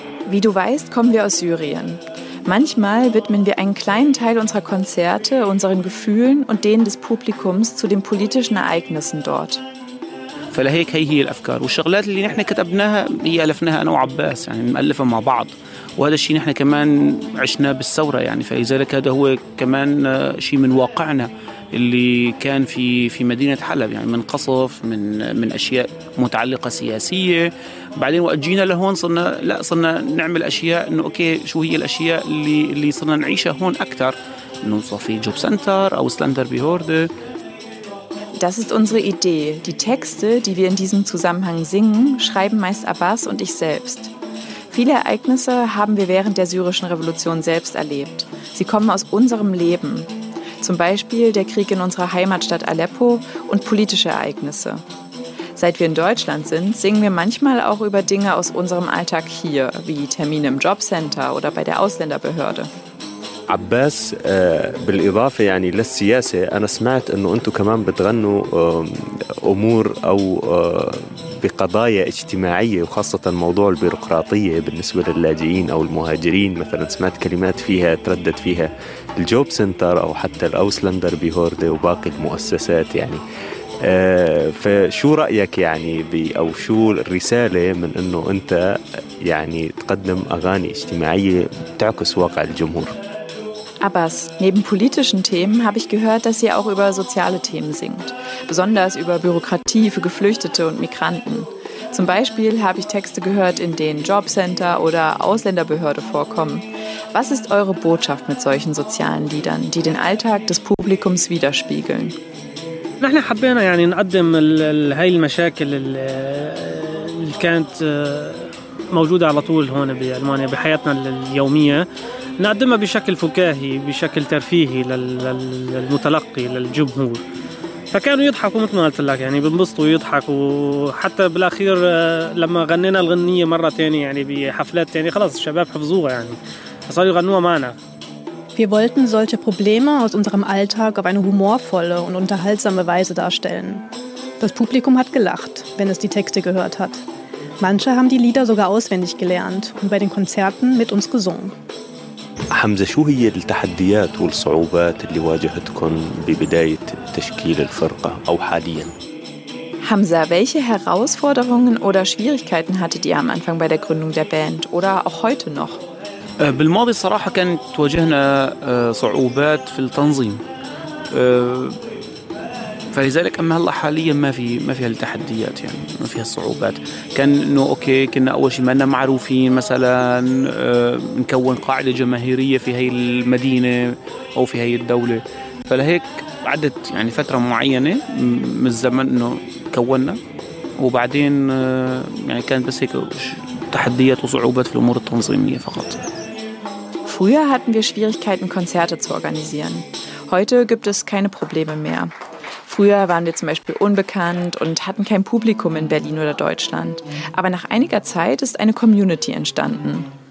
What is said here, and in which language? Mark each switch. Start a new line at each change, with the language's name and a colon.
German: Wie du weißt, kommen wir aus Syrien. Manchmal widmen wir einen kleinen Teil unserer Konzerte unseren Gefühlen und denen des Publikums zu den politischen Ereignissen dort.
Arabic: فلهيك هي الافكار والشغلات اللي نحن كتبناها هي الفناها انا وعباس يعني مؤلفه مع بعض وهذا الشيء نحن كمان عشناه بالثوره يعني فلذلك هذا هو كمان شيء من واقعنا اللي كان في مدينه حلب يعني من قصف من اشياء متعلقه سياسيه بعدين وقت جينا لهون صرنا نعمل اشياء انه اوكي شو هي الاشياء اللي صرنا نعيشها هون اكثر انه صار في جوب سنتر او سلندر بيهورده
German: Das ist unsere Idee. Die Texte, die wir in diesem Zusammenhang singen, schreiben meist Abbas und ich selbst. Viele Ereignisse haben wir während der syrischen Revolution selbst erlebt. Sie kommen aus unserem Leben. Zum Beispiel der Krieg in unserer Heimatstadt Aleppo und politische Ereignisse. Seit wir in Deutschland sind, singen wir manchmal auch über Dinge aus unserem Alltag hier, wie Termine im Jobcenter oder bei der Ausländerbehörde.
Arabic: عباس بالإضافة يعني للسياسة أنا سمعت أنه أنتوا كمان بتغنوا أمور أو بقضايا اجتماعية وخاصة موضوع البيروقراطية بالنسبة للاجئين أو المهاجرين مثلا سمعت كلمات فيها تردد فيها الجوب سنتر أو حتى الأوسلندر بيهوردة وباقي المؤسسات يعني فشو رأيك يعني أو شو الرسالة من أنه أنت يعني تقدم أغاني اجتماعية تعكس واقع الجمهور
German: Abbas, neben politischen Themen habe ich gehört, dass ihr auch über soziale Themen singt. Besonders über Bürokratie für Geflüchtete und Migranten. Zum Beispiel habe ich Texte gehört, in denen Jobcenter oder Ausländerbehörde vorkommen. Was ist eure Botschaft mit solchen sozialen Liedern, die den Alltag des Publikums widerspiegeln?
Arabic: نحن حبينا يعني نقدم هاي المشاكل اللي كانت موجودة على طول هون بألمانيا بحياتنا اليومية نقدمها بشكل فكاهي بشكل ترفيهي للمتلقي للجمهور، فكانوا يضحكوا مثل ما قلت لك، يعني بنبسطوا ويضحكوا. حتى بالأخير لما غنينا الغنية مرة تانية يعني بحفلات تانية، خلاص الشباب حفظوها يعني صاروا يغنوها معنا.
German: Wir wollten solche Probleme aus unserem Alltag auf eine humorvolle und unterhaltsame Weise darstellen. Das Publikum hat gelacht, wenn es die Texte gehört hat. Manche haben die Lieder sogar auswendig gelernt und bei den Konzerten mit uns gesungen.
Arabic: Hamza, شو هي التحديات والصعوبات اللي واجهتكم ببداية تشكيل الفرقة أو حاليا؟
German: Hamza, welche Herausforderungen oder Schwierigkeiten hattet ihr am Anfang bei der Gründung der Band oder auch heute noch?
Arabic: بالماضي صراحة كانت تواجهنا صعوبات في التنظيم، فلذلك أما هلا حاليا ما في هالتحديات، يعني ما في هالصعوبات. كان إنه أوكي، كنا أول شيء ما لنا معروفين مثلا، نكون قاعدة جماهيرية في هاي المدينة أو في هاي الدولة، فلهيك عدت يعني فترة معينة من الزمن إنه كوننا، وبعدين يعني كانت بس هيك تحديات وصعوبات في الأمور التنظيمية فقط.
German: Früher hatten wir Schwierigkeiten, Konzerte zu organisieren. Heute gibt es keine Probleme mehr. Früher waren wir zum Beispiel unbekannt und hatten kein Publikum in Berlin oder Deutschland. Aber nach einiger Zeit ist eine Community entstanden.